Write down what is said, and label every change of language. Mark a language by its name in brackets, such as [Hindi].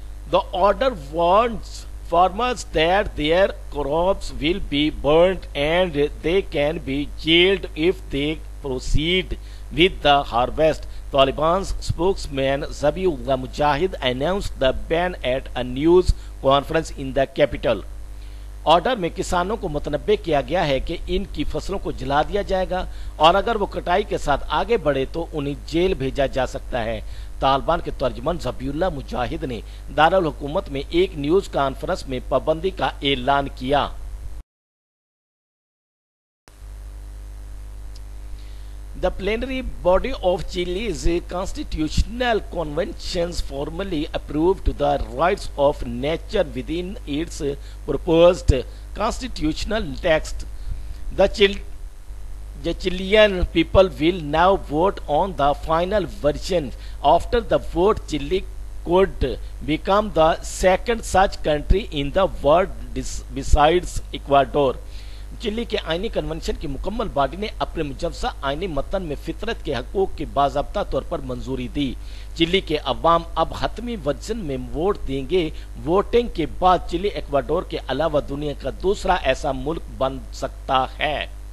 [English] The order warns farmers that their crops will be burned and they can be jailed if they proceed with the harvest. Taliban's spokesman Zabihullah Mujahid announced the ban at a news conference in the capital. [Urdu] Order میں کسانوں کو متنبع کیا گیا ہے کہ ان کی فصلوں کو جلا دیا جائے گا اور اگر وہ کٹائی کے ساتھ آگے بڑھے تو انہیں جیل بھیجا جا سکتا ہے. طالبان کے ترجمان زبی اللہ مجاہد نے دارالحکومت میں ایک نیوز کانفرنس میں پابندی کا اعلان کیا. [English] The plenary body of Chile's constitutional convention formally approved the rights of nature within its proposed constitutional text. The Chilean people will now vote on the final version. After the vote, Chile could become the second such country in the world besides Ecuador. [Urdu] چلی کے آئینی convention کی مکمل body نے اپنے مجوزہ آئینی متن میں فطرت کے حقوق کی باضابطہ طور پر منظوری دی. چلی کے عوام اب حتمی ورژن میں ووٹ دیں گے. ووٹنگ کے بعد چلی ایکواڈور کے علاوہ دنیا کا دوسرا ایسا ملک بن سکتا ہے.